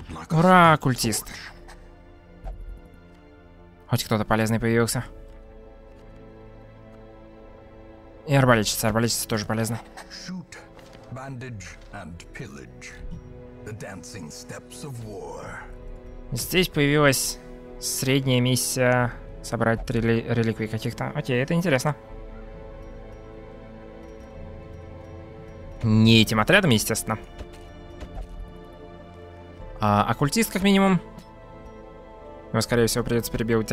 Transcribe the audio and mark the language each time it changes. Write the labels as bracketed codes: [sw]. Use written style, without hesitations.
[ru] Ура, оккультист. Хоть кто-то полезный появился. И арбалетчица. Арбалетчица тоже полезна. [en] Shoot, bandage and pillage. The dancing steps of war. [ru] Здесь появилась средняя миссия собрать 3 реликвии каких-то. Окей, это интересно. Не этим отрядом, естественно. А оккультист, как минимум. Его, скорее всего, придется перебивать.